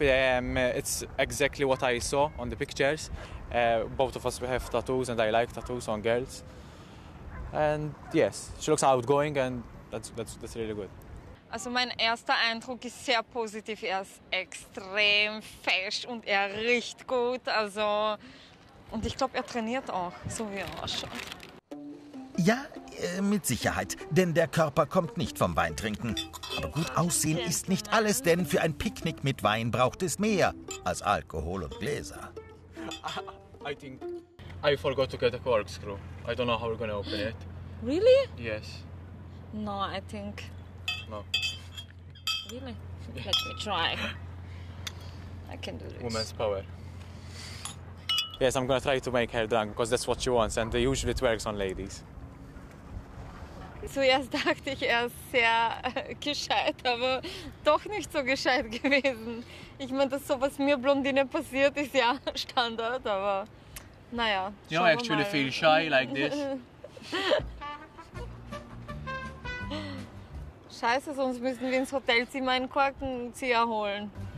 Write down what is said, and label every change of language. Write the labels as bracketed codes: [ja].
[en] It's exactly what I saw on the pictures. Both of us have tattoos, and I like tattoos on girls. And yes, she looks outgoing, and that's really good. [de] Also mein erster Eindruck ist sehr positiv. Er ist extrem fesch und er riecht gut. Also und ich glaube, er trainiert auch, so wie er ausschaut. Ja, mit Sicherheit, denn der Körper kommt nicht vom Weintrinken. Aber gut aussehen ist nicht alles, denn für ein Picknick mit Wein braucht es mehr als Alkohol und Gläser. [en] I think I forgot to get a corkscrew. I don't know how we're gonna open it. Really? Yes. No, I think. No. Really? Let me try. I can do this. Woman's power. Yes, I'm gonna try to make her drunk because that's what she wants, and usually it works on ladies. [de] Zuerst dachte ich, er ist sehr gescheit, aber doch nicht so gescheit gewesen. Ich meine, dass sowas mir Blondine passiert, ist ja Standard, aber naja. [en] You know, I actually feel shy like this. [de] Scheiße, sonst müssen wir ins Hotelzimmer einen Korkenzieher holen.